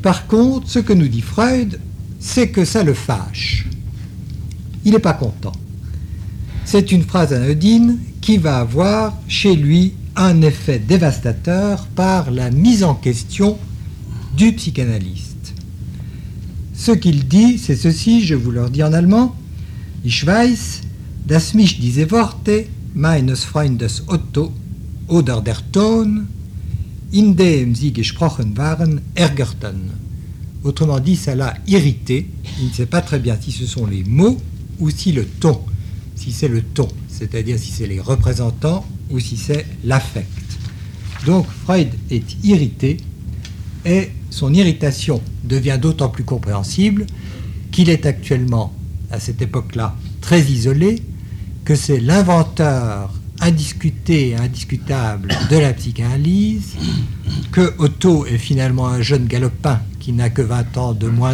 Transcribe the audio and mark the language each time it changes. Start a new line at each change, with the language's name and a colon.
French: Par contre, ce que nous dit Freud, c'est que ça le fâche. Il n'est pas content. C'est une phrase anodine qui va avoir chez lui un effet dévastateur par la mise en question du psychanalyste. Ce qu'il dit, c'est ceci, je vous le redis en allemand,
German: « Ich weiß, dass mich diese Worte meines Freundes Otto oder der Ton » In dem sie gesprochen waren, ärgerten.
French: Autrement dit, ça l'a irrité. Il ne sait pas très bien si ce sont les mots ou si le ton. Si c'est le ton, c'est-à-dire si c'est les représentants ou si c'est l'affect. Donc Freud est irrité et son irritation devient d'autant plus compréhensible qu'il est actuellement, à cette époque-là, très isolé, que c'est l'inventeur indiscuté et indiscutable de la psychanalyse, que Otto est finalement un jeune galopin qui n'a que 20 ans de